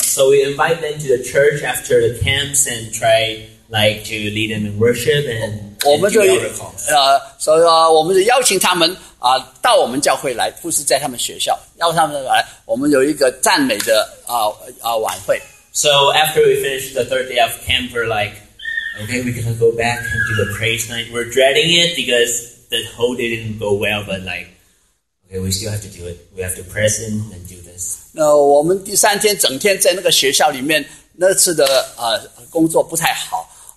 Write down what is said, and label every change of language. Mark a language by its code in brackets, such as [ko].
[en] So we invite them to the church after the camps and try like to lead them in worship and do protocols. [zh] 所以我们就邀请他们到我们教会来，不是在他们学校，邀他们来，我们有一个赞美的晚会。 [en] So after we finish the third day of camp, we're like, okay, we're going to go back and do the praise night. We're dreading it because the whole day didn't go well, but like, okay, we still have to do it. We have to press in and do this. [zh] 那我们第三天整天在那个学校里面，那次的工作不太好。